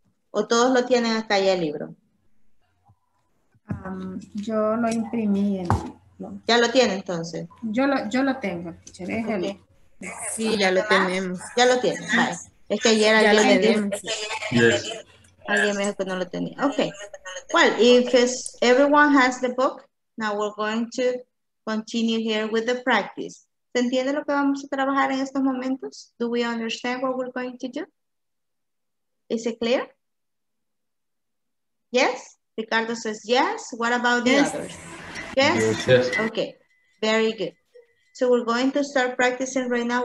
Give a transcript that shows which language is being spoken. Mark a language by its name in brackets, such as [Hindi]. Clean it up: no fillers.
[Spanish] O todos lo tienen acá ya el libro. Yo lo imprimí. ¿Ya lo tiene entonces? Yo lo tengo. Okay. Sí, ya lo tenemos. Ya lo tiene. Vale. Es que ayer ya alguien, lo dijo, alguien me dijo que no lo tenía. Ok. [English] Well, if everyone has the book, now we're going to continue here with the practice. [Spanish] ¿Se entiende lo que vamos a trabajar en estos momentos? [English] Do we understand what we're going to do? Is it clear? Yes? Ricardo says yes. What about the others? Yes? Okay, very good. So we're going to start practicing right now.